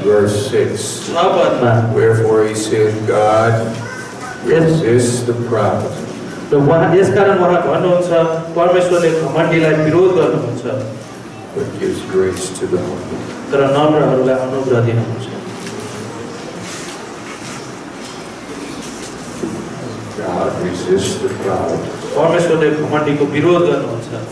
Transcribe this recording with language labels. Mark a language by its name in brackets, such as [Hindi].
[English] verse 6 wherefore he said God resist the proud [Nepali] त वहाँ यसकारण वहाँ भन्नुहुन्छ परमेश्वरले घमण्डीलाई विरोध गर्नुहुन्छ [English] but gives grace to the humble [Nepali] तर नम्रहरूलाई अनुग्रह दिनुहुन्छ [English] God resist the proud [Nepali] परमेश्वरले घमण्डीको विरोध गर्नुहुन्छ